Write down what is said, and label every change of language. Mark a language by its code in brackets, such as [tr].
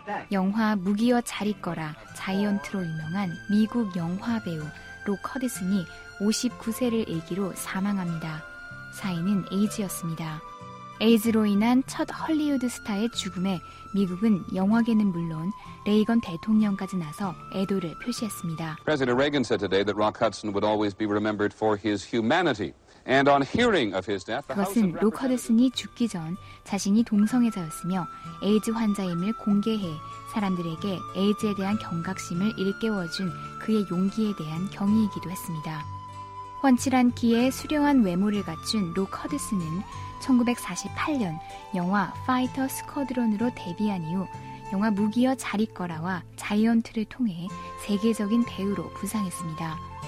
[ko] 영화 무기여 잘 있거라 자이언트로 유명한 미국 영화 배우 로 커디슨이 59세를 일기로 사망합니다. 사인은 에이즈였습니다. 에이즈로 인한 첫 헐리우드 스타의 죽음에 미국은 영화계는 물론 레이건 대통령까지 나서 애도를 표시했습니다. [en] President Reagan said today that Rock Hudson would always be remembered for his humanity. And on hearing of his death, [ko] 그것은 로 커디슨이 죽기 전 자신이 동성애자였으며 에이즈 환자임을 공개해 사람들에게 에이즈에 대한 경각심을 일깨워준 그의 용기에 대한 경의이기도 했습니다. 훤칠한 키에 수려한 외모를 갖춘 로 커디슨은 1948년 영화 파이터 스쿼드론으로 데뷔한 이후 영화 무기여 잘 있거라와 자이언트를 통해 세계적인 배우로 부상했습니다.